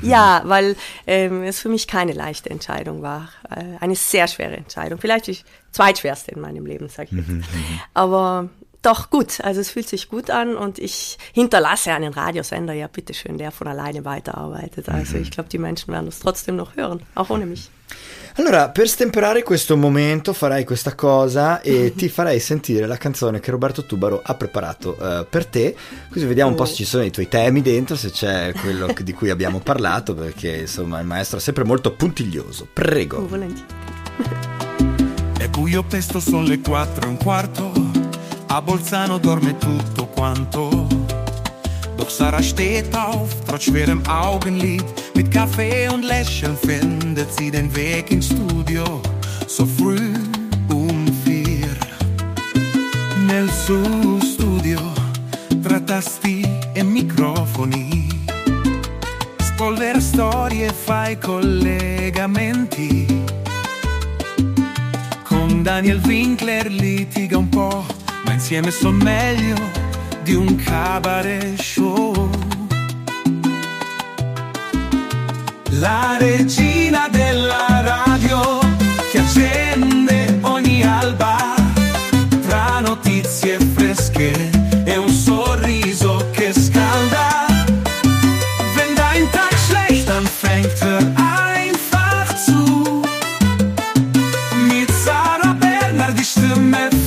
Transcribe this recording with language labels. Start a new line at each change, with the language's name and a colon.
German: Ja, weil es für mich keine leichte Entscheidung war. Eine sehr schwere Entscheidung. Vielleicht die zweitschwerste in meinem Leben, sage ich jetzt. Aber... Doch, gut, also es fühlt sich gut an und ich hinterlasse einen Radiosender, ja bitteschön, der von alleine weiterarbeitet. Also ich glaube, die Menschen werden es trotzdem noch hören, auch ohne mich.
Italian: Allora, per stemperare questo momento farai questa cosa e ti farei sentire la canzone che Roberto Tubaro ha preparato per te, così vediamo un po' se ci sono i tuoi temi dentro, se c'è quello di cui abbiamo parlato, perché insomma il maestro è sempre molto puntiglioso. Prego. Volentieri. È buio pesto, sono le 4:15. A Bolzano dorme tutto quanto.
German: Doch Sarah steht auf, trotz schwerem Augenlid. Mit Kaffee und Lächeln findet sie den Weg ins Studio. So früh 4:00.
Italian: Nel suo studio, tra tasti e microfoni. Spolvera storie, fai collegamenti. Con Daniel Winkler litiga un po'. Ma insieme son meglio di un cabaret show. La regina della radio che accende ogni alba tra notizie fresche e un sorriso che scalda.
German: Wenn dein Tag schlecht anfängt, hör einfach zu. Mit Sarah Bernhard die Stimme.